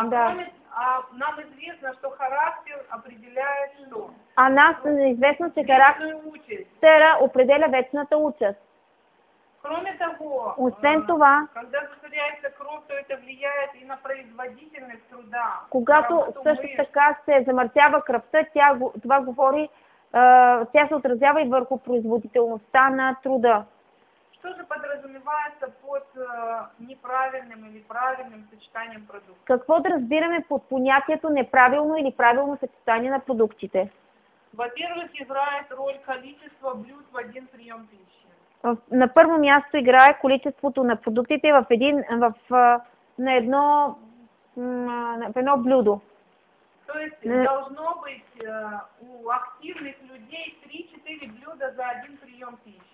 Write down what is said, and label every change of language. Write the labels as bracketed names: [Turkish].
[Russian] Нам известно, что характер определяет что? [Bulgarian] А нас известно, че характера определя вечната участ. [Russian] Кроме того, [Bulgarian] освен това, [Russian] когда засоряется кровь, то это влияет и на производительность труда. [Bulgarian] Когато също така се замърсява кръвта, това говори, тя се отразява и върху производителността на труда. [Russian] Что же подразумевается под неправильным или правильным сочетанием продуктов? [Bulgarian] Какво да разбираме под понятието неправилно или правилно съчетание на продуктите? [Russian] Во-первых, играет роль количество блюд в один прием пищи. [Bulgarian] На първо място играе количеството на продуктите в един, в едно блюдо. [Russian] Тоест, должно быть у активных людей 3-4 блюда за один прием пищи.